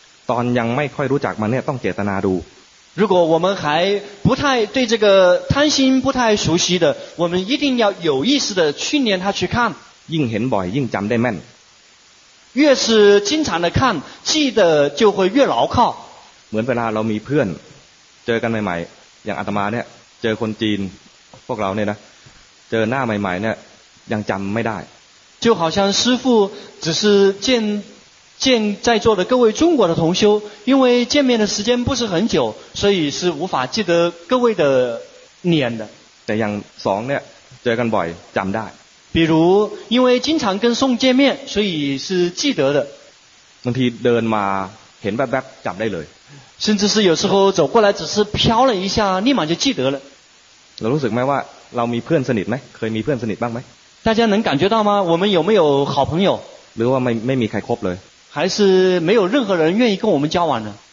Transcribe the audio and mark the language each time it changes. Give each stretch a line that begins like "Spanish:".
Thai: ตอนยังไม่ค่อยรู้จักมันเนี่ยต้องเจตนาดู
Chinese: 如果我们还不太对这个贪心不太熟悉的我们一定要有意识的训练他去看
Thai: ยิ่งเห็นบ่อยยิ่งจำได้แม่น
Chinese: 越是经常的看记得就会越牢靠
Thai: เหมือนเวลาเรามีเพื่อนเจอกันใหม่ๆอย่างอาตมาเนี่ยเจอคนจีนพวกเราเนี่ยนะเจอหน้าใหม่ๆเนี่ยยังจำไม่ได้
Chinese: 就好像师父只是见在座的各位中国的同修因为见面的时间不是很久所以是无法记得各位的脸的
Thai: แต่ยังสองเนี่ยเจอกันบ่อยจำได้
Chinese: 比如因为经常跟宋见面所以是记得的
Thai: บางทีเดินมาเห็นแวบๆจำได้เลย
Chinese: 甚至是有时候走过来只是飘了一下立马就记得了
Thai: เรารู้สึกไหมว่าเรามีเพื่อนสนิทไหมเคยมีเพื่อนสนิทบ้างไหม
Chinese: 大家能感觉到吗我们有没有好朋友
Thai: หรือว่าไม่มีใครคบเลย
Chinese: 还是没有任何人愿意跟我们交往呢